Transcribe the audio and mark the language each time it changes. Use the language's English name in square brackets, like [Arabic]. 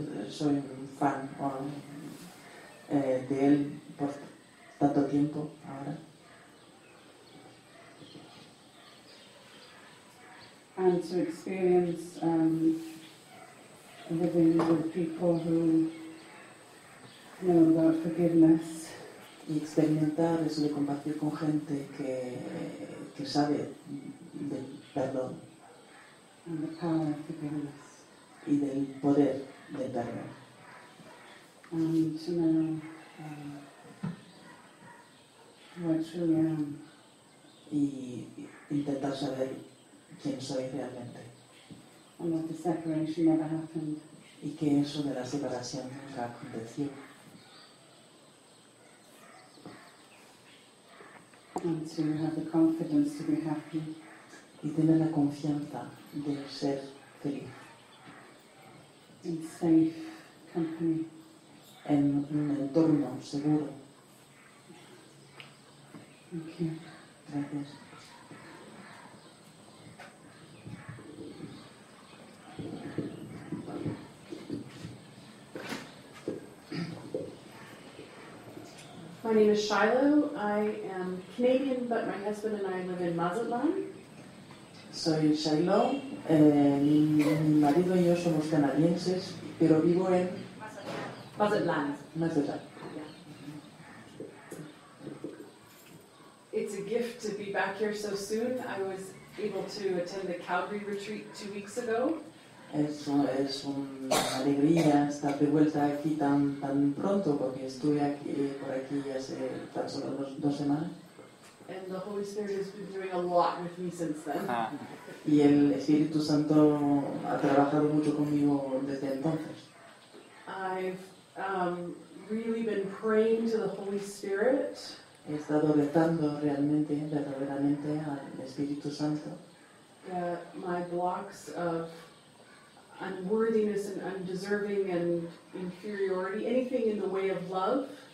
[Spanish] Soy un fan de él por tanto tiempo ahora. [English] and to experience living with people who know about forgiveness. [Spanish] Y experimentar eso de compartir con gente que sabe del perdón. [English] And the power of forgiveness. [Spanish] Y del poder del perdón. [English] And to know who I truly am. [Spanish] Y intentar saber quién soy realmente. [English] And that the separation never happened. [Spanish] Y que eso de la separación nunca aconteció. [English] And to have the confidence to be happy. [Spanish] Y tener la confianza de ser feliz. [English] In safe company. [Spanish] En un entorno seguro. [English] Thank you. [Spanish] Gracias. [English] My name is Shiloh. I am Canadian, but my husband and I live in Mazatlan. [Spanish] Soy Shiloh. Mi marido y yo somos canadienses, pero vivo en Mazatlan. Mazatlan. [English] It's a gift to be back here so soon. I was able to attend the Calgary retreat 2 weeks ago. [Spanish] Es una alegría estar de vuelta aquí tan pronto porque estuve aquí por aquí hace tan solo dos semanas. [English] And the Holy Spirit has been doing a lot with me since then. [Spanish] Y el Espíritu Santo ha trabajado mucho conmigo desde entonces. [English] I've really been praying to the Holy Spirit. [Spanish] He estado rezando verdaderamente al Espíritu Santo. [English] My blocks of unworthiness and undeserving and inferiority, anything in the way of love.